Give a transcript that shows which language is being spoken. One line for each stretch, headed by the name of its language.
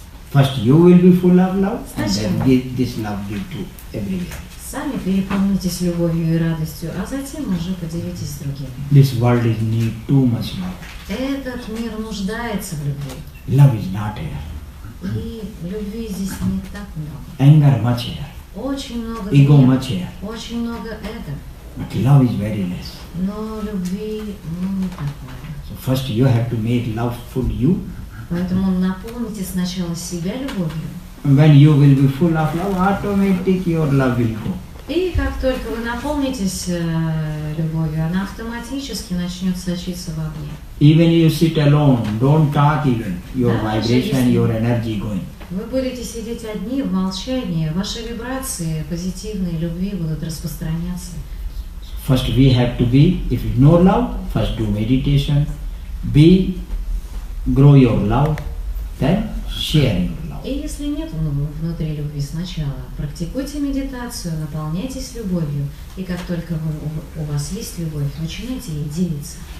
English: First you will be full of love, and then give this love give to everyone.
Russian: Сами переполнитесь любовью и радостью, а затем уже поделитесь с другими.
English: This world is need too much love.
Russian: Этот мир нуждается в любви.
English: Love is not here.
Russian: И любви здесь не так много.
English: Anger much here.
Russian: Очень много.
English: Ego мира. Much here.
Russian: Очень много это.
English: But love is very less.
Russian: Но любви не такое.
English: So first you have to make love full you.
Russian: Поэтому наполните сначала себя любовью.
English: When you will be full of love, automatically your love will go.
Russian: И как только вы наполнитесь любовью, она автоматически начнет сочиться во мне.
English: Even you sit alone, don't talk even, your vibration, your energy going.
Russian: Вы будете сидеть одни в молчании, ваши вибрации позитивные любви будут распространяться.
English: First we have to be, if you know love, first do meditation, be, grow your love, then share your.
Russian: И если нет внутри любви сначала, практикуйте медитацию, наполняйтесь любовью, и как только вы, у вас есть любовь, начинайте ей делиться.